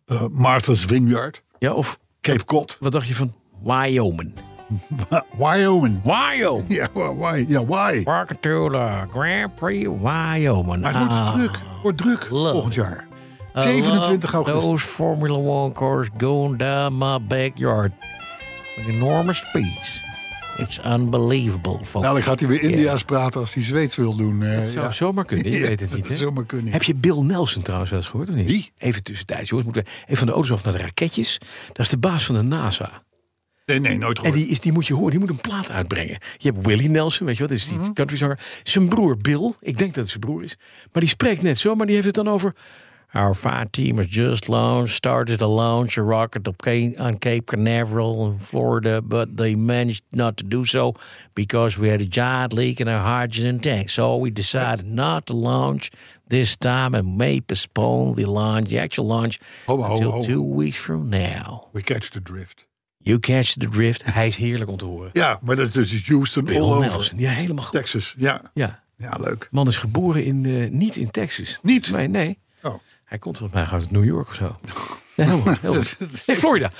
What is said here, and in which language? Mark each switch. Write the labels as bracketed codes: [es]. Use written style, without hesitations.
[en] Martha's Vineyard. [nl] Ja, of [en] Cape Cod. [nl] Wat dacht je van Wyoming? [en] Wyoming. Wyoming. Why? Park to the Grand Prix Wyoming. [nl] Maar het wordt druk volgend jaar. 27 augustus. [en] Those Formula One cars going down my backyard. With enormous speeds. It's unbelievable. Folks. [nl] Nou, dan gaat hij weer India's praten als hij Zweeds wil doen. Dat zou zomaar kunnen. Je weet het niet. Dat zomaar kunnen. Heb je Bill Nelson trouwens wel eens gehoord of niet? Wie? Even tussentijds. Jongens, moeten we even van de auto's af naar de raketjes. Dat is de baas van de NASA. Nee, nooit gehoord. En die moet je horen. Die moet een plaat uitbrengen. Je hebt Willie Nelson, weet je wat? Dat is die country zanger. Zijn broer Bill. Ik denk dat het zijn broer is. Maar die spreekt net zo, maar die heeft het dan over. [en] Our fire team has just started to launch a rocket on Cape Canaveral in Florida, but they managed not to do so because we had a giant leak in our hydrogen tank. So we decided not to launch this time and may postpone the actual launch until 2 weeks from now. We catch the drift. You catch the drift. [nl] Hij is heerlijk om te horen. Ja, maar dat is Houston [en] Bill all Nelson. [nl] Over. Ja, helemaal goed. Texas, ja. Ja. Ja, leuk. Man is geboren in niet in Texas. Niet? Nee. Oh. Hij komt volgens mij uit New York of zo. Nee, helemaal. Florida.